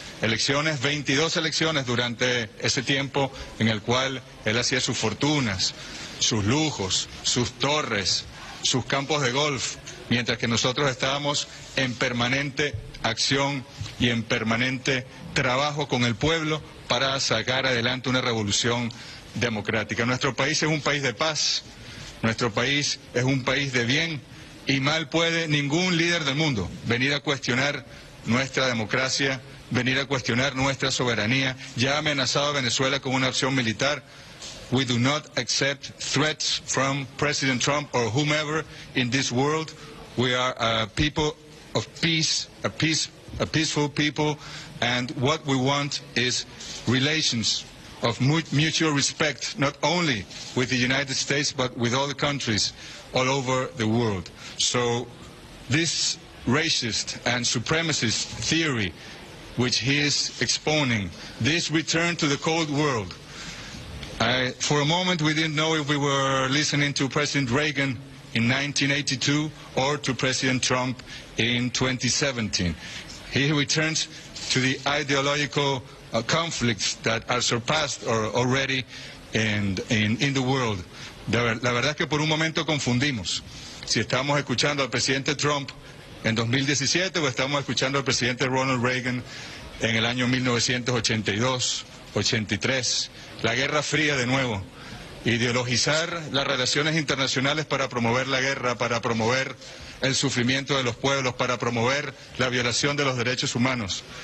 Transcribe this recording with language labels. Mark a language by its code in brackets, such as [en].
[es] Elecciones, 22 elecciones durante ese tiempo en el cual él hacía sus fortunas, sus lujos, sus torres, sus campos de golf, mientras que nosotros estábamos en permanente acción y en permanente trabajo con el pueblo para sacar adelante una revolución democrática. Nuestro país es un país de paz, nuestro país es un país de bien, y mal puede ningún líder del mundo venir a cuestionar nuestra democracia, venir a cuestionar nuestra soberanía. Ya ha amenazado a Venezuela con una opción militar. [en] We do not accept threats from President Trump or whomever in this world. We are a people of peace, a peaceful people, and what we want is relations of mutual respect, not only with the United States, but with all the countries all over the world. So this racist and supremacist theory which he is exponing, this return to the Cold War, for a moment we didn't know if we were listening to President Reagan in 1982 or to President Trump in 2017. He returns to the ideological conflicts that are surpassed or already in the world. [es] La verdad es que por un momento confundimos si estamos escuchando al presidente Trump en 2017 o estamos escuchando al presidente Ronald Reagan en el año 1982, 83. La Guerra Fría de nuevo. Ideologizar las relaciones internacionales para promover la guerra, para promover el sufrimiento de los pueblos, para promover la violación de los derechos humanos.